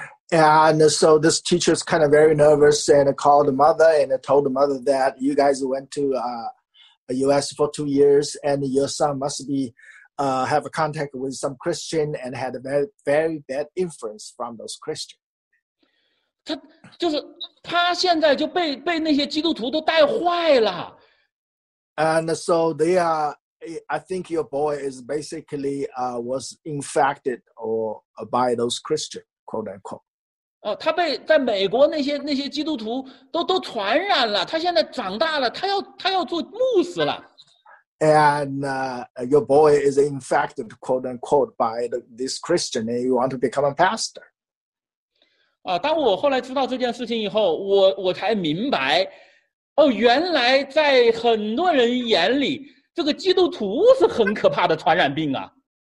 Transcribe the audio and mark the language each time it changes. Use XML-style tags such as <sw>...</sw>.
<en>And so this teacher is kind of very nervous and called the mother and told the mother that you guys went to US for 2 years and your son must be have a contact with some Christian and had a very, very bad influence from those Christians.</en> <zh>他就是他现在就被那些基督徒都带坏了。</zh> <en>And so they are, I think your boy is basically was infected or by those Christians, quote unquote.</en> <zh>他被在美国那些基督徒都传染了，他现在长大了，他要做牧师了。</zh> <en>And your boy is infected, quote unquote, by this Christian, and you want to become a pastor.</en> <zh>当我后来知道这件事情以后，我才明白。原来在很多人眼里，这个基督徒是很可怕的传染病啊。</zh>